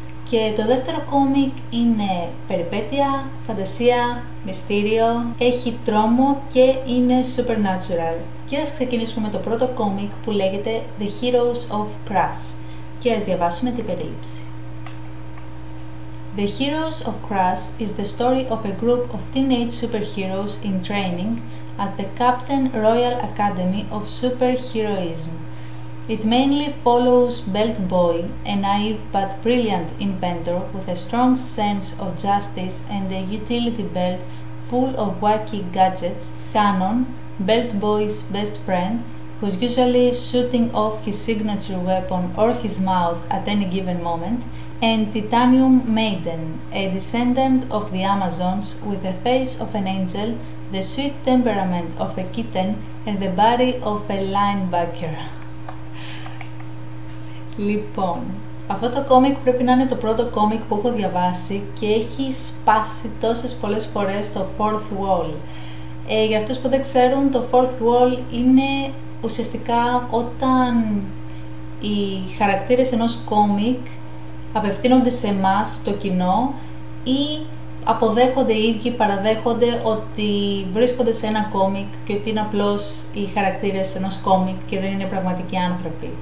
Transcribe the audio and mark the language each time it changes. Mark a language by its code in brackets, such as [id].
[el] Και το δεύτερο comic είναι περιπέτεια, φαντασία, μυστήριο, έχει τρόμο και είναι supernatural. Και ας ξεκινήσουμε με το πρώτο comic που λέγεται The Heroes of Crass. Και ας διαβάσουμε την περίληψη. [en] The Heroes of Crass is the story of a group of teenage superheroes in training at the Captain Royal Academy of Superheroism. It mainly follows Belt Boy, a naive but brilliant inventor with a strong sense of justice and a utility belt full of wacky gadgets, Cannon, Belt Boy's best friend, who's usually shooting off his signature weapon or his mouth at any given moment, and Titanium Maiden, a descendant of the Amazons with the face of an angel, the sweet temperament of a kitten, and the body of a linebacker. [el] Λοιπόν, αυτό το κόμικ πρέπει να είναι το πρώτο κόμικ που έχω διαβάσει και έχει σπάσει τόσες πολλές φορές το Fourth Wall. Για αυτούς που δεν ξέρουν, το Fourth Wall είναι ουσιαστικά όταν οι χαρακτήρες ενός κόμικ απευθύνονται σε εμάς, το κοινό, ή αποδέχονται οι ίδιοι, παραδέχονται ότι βρίσκονται σε ένα κόμικ και ότι είναι απλώς οι χαρακτήρες ενός κόμικ και δεν είναι πραγματικοί άνθρωποι.